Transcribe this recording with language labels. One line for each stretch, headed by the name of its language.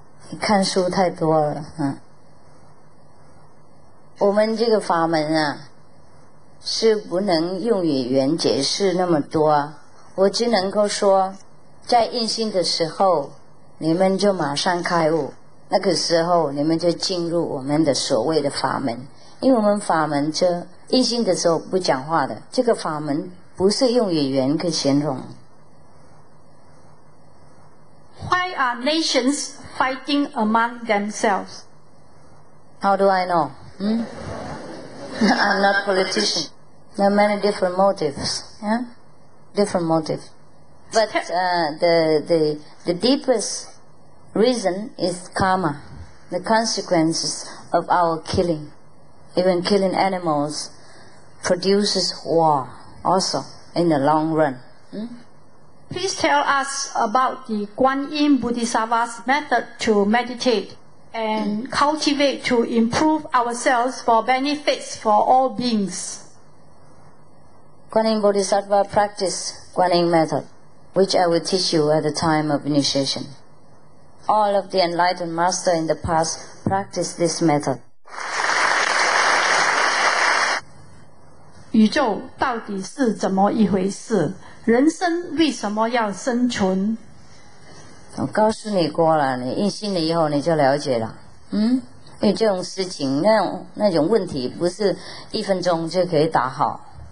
Chinese: 你看书太多了。我们这个法门啊, 是不能用语言解释那么多，我只能够说, 在印心的时候, 你们就马上开悟, 那个时候你们就进入我们的所谓的法门。因为我们法门就印心的时候不讲话的， 这个法门不是用语言可形容。
English: Why are nations fighting among themselves? How do I know? I'm not a politician. There are many different motives. Different motives. But the deepest reason is karma, the consequences of our killing. Even killing animals produces war also in the long run. Please tell us about the Guanyin Bodhisattva's method to meditate and cultivate to improve ourselves for benefits for all beings. Guanyin Bodhisattva practice Guanyin method, which I will teach you at the time of initiation. All of the enlightened masters in the past practice this method.
Chinese: 宇宙到底是怎么一回事? 人生为什么要生存? 我告诉你过了，你印心了以后你就了解了。因为这种事情，那种问题不是一分钟就可以打好。